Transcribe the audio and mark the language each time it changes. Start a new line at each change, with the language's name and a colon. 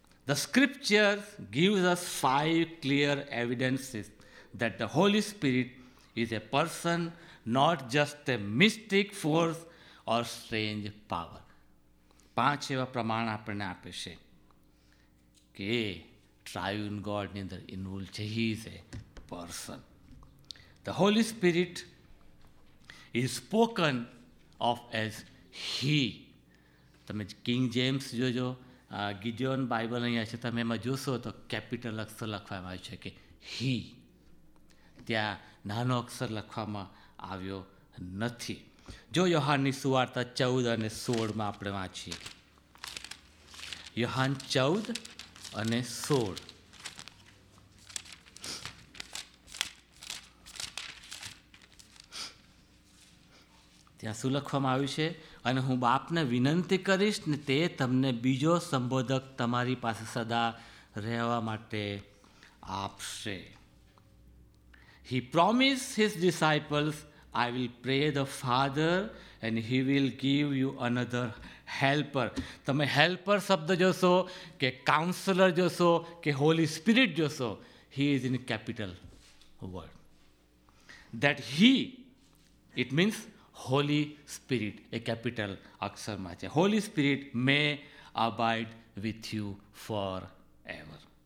English: The scriptures gives us five clear evidences that the Holy Spirit is a person, not just a mystic force or strange power.
Gujarati: પાંચ એવા પ્રમાણ આપણને આપે છે કે ટ્રાયુન ગોડની અંદર ઇન્વોલ્વ છે.
English: He is a person. The holy spirit is spoken of as he.
Gujarati: તમે કિંગ જેમ્સ જોજો, ગિદ્યોન બાઇબલ અહીંયા છે, તમે એમાં જોશો તો કેપિટલ અક્ષર લખવામાં આવ્યું છે કે હી, ત્યાં નાનો અક્ષર લખવામાં આવ્યો નથી. જો યોહાનની સુવાર્તા 14:16 આપણે વાંચીએ, યોહાન 14:16, ત્યાં શું લખવામાં આવ્યું છે, અને હું બાપને વિનંતી કરીશ ને તે તમને બીજો સંબોધક તમારી પાસે સદા રહેવા માટે આપશે.
English: He promise his disciples, I will pray the Father and He will give you another helper.
Gujarati: તમે હેલ્પર શબ્દ જોશો કે કાઉન્સલર જોશો કે હોલી સ્પિરિટ જોશો,
English: He is in capital word. That he it means holy spirit
Gujarati: A capital અક્ષરમાં છે.
English: Holy spirit may abide with you for ever.